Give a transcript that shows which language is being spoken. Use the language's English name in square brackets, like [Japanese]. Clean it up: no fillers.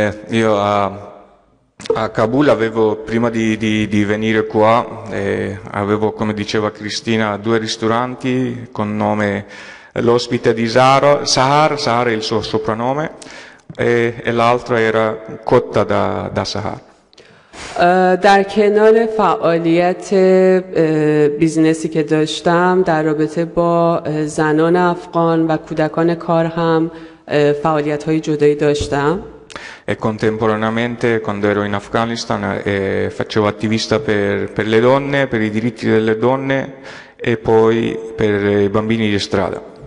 [Italian] Io a Kabul avevo, prima di venire qua, avevo, come diceva Cristina, due ristoranti con nome l'ospite di Zara, Sahar è il suo soprannome, e l'altra era cotta da Sahar. [Persian] در کنار فعالیت بیزنسی که داشتم در رابطه با زنان افغان و کودکان کار هم فعالیت‌های جدایی داشتم. [Italian] E contemporaneamente, quando ero in Afghanistan, facevo attivista per le donne, per i diritti delle donne e poi per i bambini di strada.